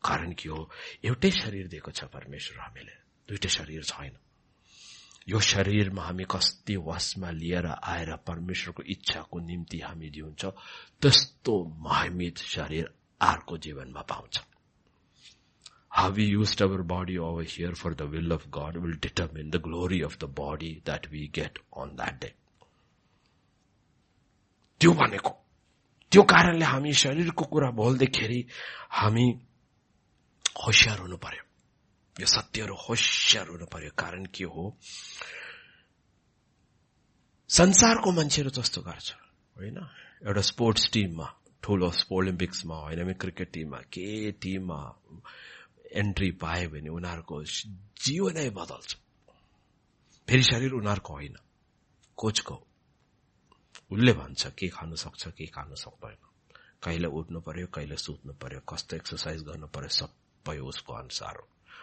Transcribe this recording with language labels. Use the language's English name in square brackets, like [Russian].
[Nepali] कारण के हो, एउटै शरीर दिएको छ परमेश्वर, हामीले दुइटै शरीर छैन। यो शरीरमा हामी कस्तो वासमा लिएर आएर परमेश्वरको इच्छाको निम्ति हामी जिउँछ, त्यस्तो महिमित शरीर अर्को जीवनमा पाउँछ। [English] How we used our body over here for the will of God will determine the glory of the body that we get on that day. [Nepali] त्यो भनेको, त्यो कारणले हामी शरीरको कुरा बोल्दाखेरि हामी होसियार हुनु पर्यो, यो सत्यहरू होसियार हुनु पर्यो। कारण के हो, संसारको मान्छेहरू जस्तो गर्छ होइन, एउटा स्पोर्ट्स टिममा, ठुलो ओलम्पिक्समा होइन, क्रिकेट टिममा, के टिममा एन्ट्री पायो भने उनीहरूको जीवनै बदल्छ, फेरि शरीर उनीहरूको होइन, कोचको, उसले भन्छ के खानु सक्छ के खानु सक्दैन, कहिले उठ्नु पर्यो कहिले सुत्नु पर्यो, कस्तो एक्सर्साइज गर्नु पर्यो, सबै उसको अनुसार हो।